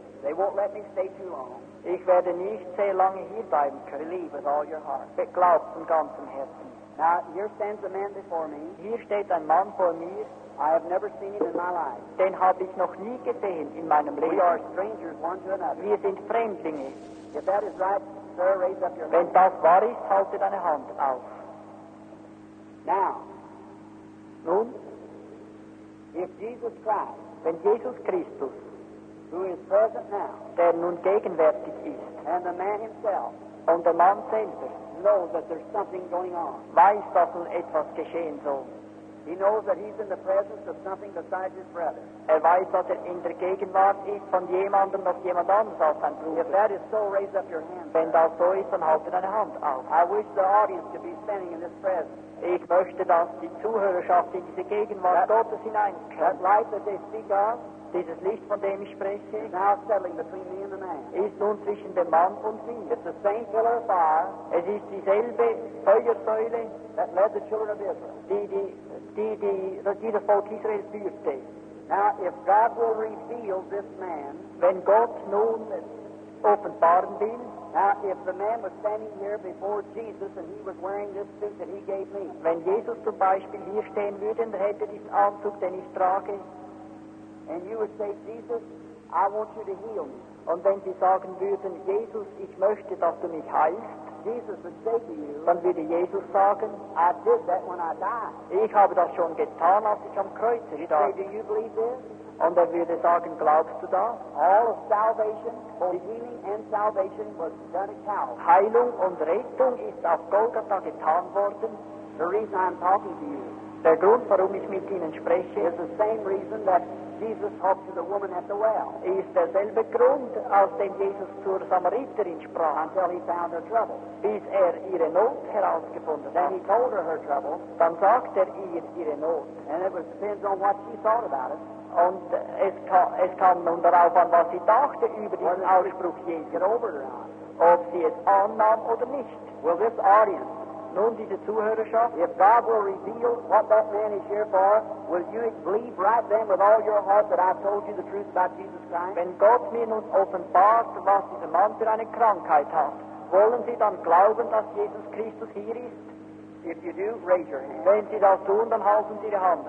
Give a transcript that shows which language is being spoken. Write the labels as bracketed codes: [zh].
[en] They won't let me stay too long. [de] Ich werde nicht sehr lange hier bleiben können. [en] Believe with all your heart. [de] Glaub von ganzem Herzen. [en] Now, here stands a man before me. [de] Hier steht ein Mann vor mir. [en] I have never seen him in my life. [de] Den habe ich noch nie gesehen in meinem Leben. [en] We are strangers one to another. [de] Wir sind Fremdlinge. [en] If that is right, sir, raise up your hand. [de] Wenn das wahr ist, halte deine Hand auf. [en] Now, [de] nun, [en] if Jesus Christ, [de] wenn Jesus Christus, [en] who is present now, [de] der nun gegenwärtig ist, [en] and the man himself, [de] und der Mann selber, [en] knows that there's something going on, [de] weiß, dass nun etwas geschehen soll. [en] He knows that he's in the presence of something besides his brother. [de] Er weiß, dass er in der Gegenwart ist von jemandem, noch jemand anders als sein Bruder. [en] If that is so, raise up your hand. [de] Wenn das so ist, dann halte deine Hand auf. [en] I wish the audience could be standing in this presence. [de] Ich möchte, dass die Zuhörerschaft in diese Gegenwart Gottes hineinkommt. [en] That light that they speak of, [de] dieses Licht, von dem ich spreche, [en] is now settling between me and the man. [de] Ist nun zwischen dem Mann und mir. [en] It's the same pillar of fire. [de] Es ist dieselbe Feuersäule, [en] that led the children of Israel, [de] die das Volk Israel führte. [en] Now, if God will reveal this man, [de] wenn Gott nun offenbaren will, [en] now, if the man was standing here before Jesus and he was wearing this suit that he gave me, [de] wenn Jesus zum Beispiel hier stehen würde und hätte diesen Anzug, den ich trage, [en] and you would say, Jesus, I want you to heal me. [de] Und wenn Sie sagen würden, Jesus, ich möchte, dass du mich heilst, [en] Jesus would say to you, [de] dann würde Jesus sagen, [en] I did that when I died. [de] Ich habe das schon getan, als ich am Kreuz stand. [en] He'd say, do you believe this? [de] Und er würde sagen, glaubst du das? [en] All of salvation, both healing and salvation, was done at Calvary. [de] Heilung und Rettung ist auf Golgatha getan worden. [en] The reason I'm talking to you, [de] der Grund, warum ich mit Ihnen spreche, [en] is the same reason that Jesus talked to the woman at the well. [de] Ist derselbe Grund, aus dem Jesus zur Samariterin sprach, [en] until he found her trouble. [de] Bis ihre Not herausgefunden [en] hat. Then he told her trouble. [de] Dann sagt ihre Not. [en] And it depends on what she thought about it. [de] Und es kam nun darauf an, was sie dachte über diesen Ausspruch Jesu, ob sie es annahm oder nicht. [en] Will this audience, [de] nun diese Zuhörerschaft, [en] if God will reveal what that man is here for, will you believe right then with all your heart that I've told you the truth about Jesus Christ? [de] Wenn Gott mir nun offenbart, was dieser Mann für eine Krankheit hat, wollen Sie dann glauben, dass Jesus Christus hier ist? [en] If you do, raise your hand. [de] Wenn Sie das tun, dann halten Sie Ihre Hand.